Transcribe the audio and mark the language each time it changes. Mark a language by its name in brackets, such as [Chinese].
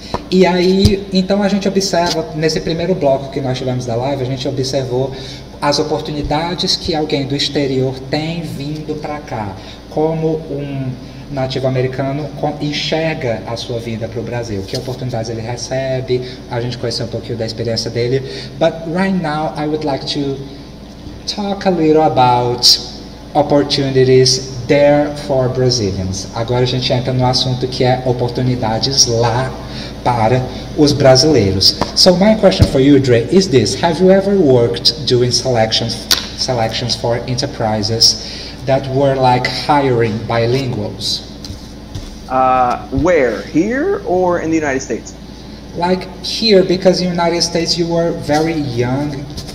[Portuguese] E aí, então a gente observa, nesse primeiro bloco que nós tivemos da live, a gente observou as oportunidades que alguém do exterior tem vindo para cá, como um nativo americano enxerga a sua vinda para o Brasil, que oportunidades ele recebe, a gente conheceu um pouquinho da experiência dele. [English] But right now, I would like to talk a little about opportunities there for Brazilians. [Portuguese] Agora a gente entra no assunto que é oportunidades lá para os brasileiros. [English] So my question for you, Dre, is this: have you ever worked doing selections for enterprises that were like hiring bilinguals? Where? Here or in the United States? Like here, because in the United States you were very young.